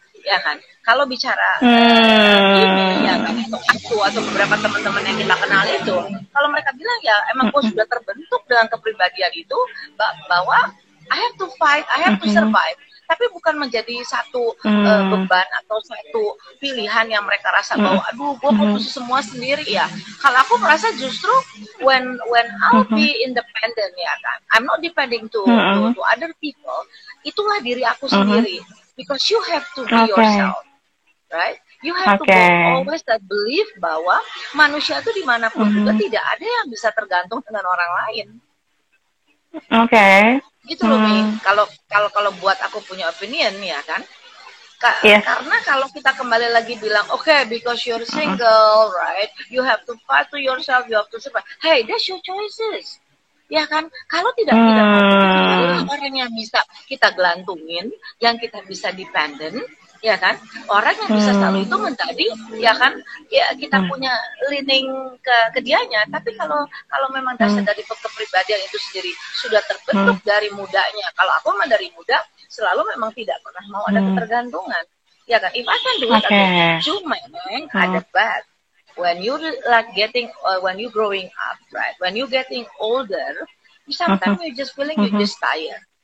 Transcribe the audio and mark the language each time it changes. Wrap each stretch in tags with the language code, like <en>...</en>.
<id>Ya kan, kalau bicara ini ya kan, itu aku atau beberapa teman-teman yang kita kenal itu, kalau mereka bilang ya emang gue sudah terbentuk dengan kepribadian itu bahwa</id> <en>I have to fight, I have to survive.</en> <id>Tapi bukan menjadi satu beban atau satu pilihan yang mereka rasa bahwa aduh gue harus semua sendiri ya. Kalau aku merasa justru</id> <en>when I'll be independent</en> <id>ya kan,</id> <en>I'm not depending to other people.</en> <id>Itulah diri aku sendiri.</id> <en>Because you have to be yourself, right? You have to always that belief</en> <id>bahwa manusia itu dimanapun juga tidak ada yang bisa tergantung dengan orang lain. Gitu loh, Mi. Kalau buat aku punya opinion, ya kan? Karena kalau kita kembali lagi bilang, okay,</id> <en>because you're single, right? You have to fight to yourself, you have to survive. Hey, that's your choices.</en> <id>Ya kan? Kalau tidak mau, orang yang bisa kita gelantungin, yang kita bisa dependent, ya kan? Orang yang bisa selalu itu menjadi, ya kan? Ya, kita punya leaning ke dianya. Tapi kalau memang dasar dari kepribadian itu sendiri sudah terbentuk dari mudanya. Kalau aku memang dari muda, selalu memang tidak pernah mau ada ketergantungan. Ya kan?</id> <en>If I can do it,</en> <id>cuma memang ada</id> <en>bad. When you like getting, when you growing up, right? When you getting older, sometimes you just feeling you just tired.</en>